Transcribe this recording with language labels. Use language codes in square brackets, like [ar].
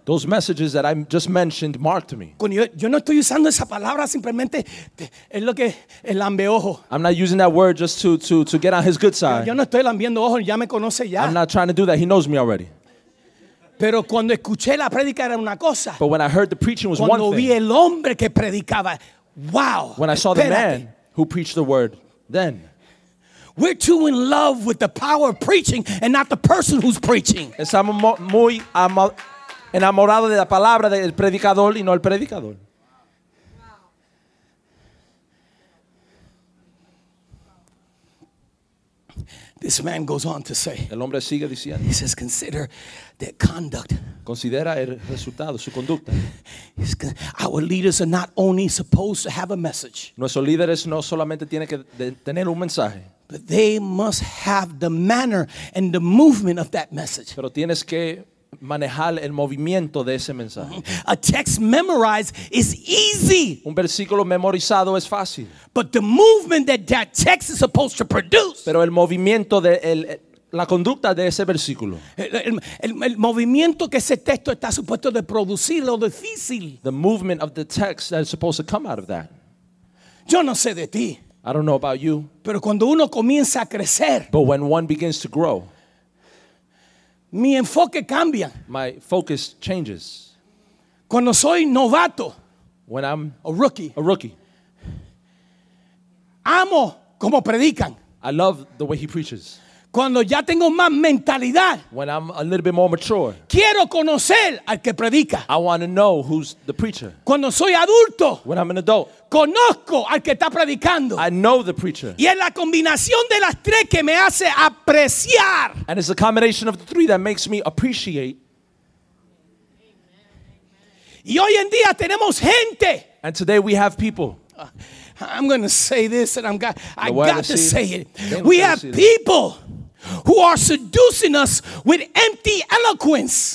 [en] Those messages that I just mentioned marked me. [es] Yo no estoy usando esa palabra simplemente es lo que el lambeojo. [en] I'm not using that word just to get on his good side. [es] Yo no estoy lambiendo ojos, ya me conoce ya. [en] I'm not trying to do that. He knows me already. [es] Pero cuando escuché la predica era una cosa. [en] But when I heard the preaching was [es] cuando [en] one thing. [es] Cuando vi el hombre que predicaba, wow. [en] When I saw the man who preached the word, then. We're too in love with the power of preaching and not the person who's preaching. [es] Estamos muy enamorados de la palabra del predicador y no el predicador. [en] This man goes on to say. [es] El hombre sigue diciendo. [en] He says, consider their conduct. [es] Considera el resultado, su conducta. [en] Our leaders are not only supposed to have a message. [es] Nuestros líderes no solamente tienen que tener un mensaje. [en] But they must have the manner and the movement of that message. [es] Pero tienes que manejar el movimiento de ese mensaje. [en] A text memorized is easy. [es] Un versículo memorizado es fácil. [en] But the movement that text is supposed to produce. [es] Pero el movimiento de el, la conducta de ese versículo. El movimiento que ese texto está supuesto de producir, lo difícil. [en] The movement of the text that is supposed to come out of that. [es] Yo no sé de ti. [en] I don't know about you. [es] Pero cuando uno comienza a crecer. [en] But when one begins to grow. [es] Mi enfoque cambia. [en] My focus changes. [es] Cuando soy novato. [en] When I'm a rookie. A rookie. [es] Amo como predican. [en] I love the way he preaches. [es] Cuando ya tengo más mentalidad. [en] When I'm a little bit more mature. [es] Quiero conocer al que predica. [en] I want to know who's the preacher. [es] Cuando soy adulto. [en] When I'm an adult. [es] Conozco al que está predicando. [en] I know the preacher. [es] Y es la combinación de las tres que me hace apreciar. [en] And it's the combination of the three that makes me appreciate. [es] Y hoy en día tenemos gente. [en] And today we have people. I'm going to say this and I got to say it. We have people who are seducing us with empty eloquence.